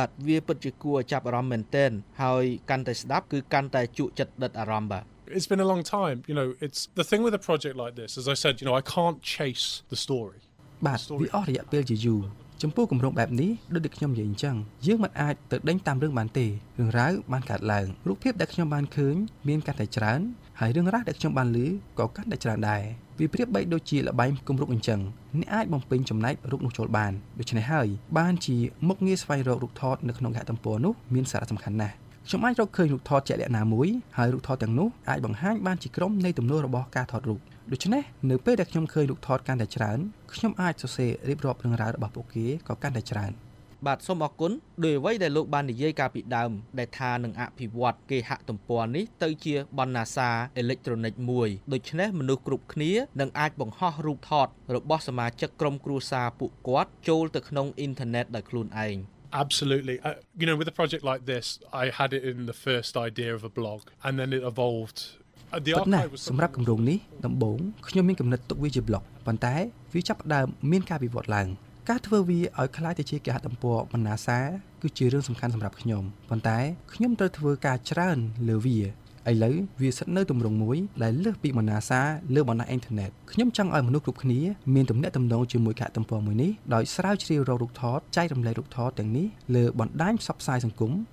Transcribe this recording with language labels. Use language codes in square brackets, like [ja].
[km] ទវាពិតជាគួរចាប់អារម្មណ៍មែនទែនហើយកាន់តែស្ដាប់គឺកាន់តែជក់ចិត្តដិតអារម្មណ៍បាទ [en] It's been a long time you know it's the thing with a project like this as I said you know I can't chase the story [km] បាទវាអស់រយៈពេលជាយូរចំពោះគម្រោងបែបនេះដូចដែលខ្ញុំនិយាយអញ្ចឹងយើងមិនអាចទៅដេញតាមរឿងបានទេរឿងរ៉ាវបានកើតឡើងរូបភាពដែលខ្ញុំបានឃើញមានកាន់តែច្រើនហើយរឿងរ៉ាវដែលខ្ញុំបានឮ ក៏កាន់តែច្រើនដែរវាប្រៀបបីដូចជាល្បែងគម្រោងអញ្ចឹងអ្នកអាចបំពេញចំណែករូបនោះចូលបានដូច្នេះហើយបានជាមុខងារស្វែងរករូបថតនៅក្នុងគេហទំព័រនោះមានសារៈសំខាន់ណាស់ខ្ញុំអាចរកឃើញរូបថតជាក់លាក់ណាមួយហើយរូបថតទាំងនោះអាចបង្ហាញបានជាក្រុមនៃទំនួលរបស់ការថតរូបដូច្នេះនៅពេលដែលខ្ញុំឃើញរូបថតកាន់តែច្រើនខ្ញុំអាចសរសេររៀបរាប់រឿងរ៉ាវរបស់ពួកគេក៏កាន់តែច្រើន បាទសូមអរគុណដោយអ្វីដែលលោកបាននិយាយកាលពីដើមដែលថានឹងអភិវឌ្ឍគេហទំព័រនេះទៅជាបណ្ណសារអេឡិចត្រូនិកមួយដូច្នេះមនុស្សគ្រប់គ្នានឹងអាចបង្ហោះរូបថតរបស់សមាជិកក្រុមគ្រួសារពួកគាត់ចូលទៅក្នុងអ៊ីនធឺណិតដោយខ្លួនឯង [en] Absolutely. You know, with a project like this, I had it in the first idea of a blog, and then it evolved. The archive was [km] សម្រាប់គម្រោងនេះដំបូងខ្ញុំមានគំនិតទុកវាជា blog ប៉ុន្តែវាចាប់ដើមមានការវិវត្តឡើងការធ្វើវាឲ្យคล้ายទៅជាគេហទំព័របណ្ណាសាគឺជារឿងសំខាន់សម្រាប់ខ្ញុំប៉ុន្តែខ្ញុំត្រូវធ្វើការច្រើនលើវាឥឡូវវាស្ថិតនៅទម្រង់មួយដែលលើសពីបណ្ណាសាលើបណ្ណាអ៊ីនធឺណិតខ្ញុំចង់ឲ្យមនុស្សគ្រប់គ្នាមានទំនាក់ទំនងជាមួយកាតំព័រមួយនេះដោយស្រាវជ្រាវរូបថតចែករំលែករូបថតទាំងនេះលើបណ្ដាញផ្សព្វផ្សាយសង្គម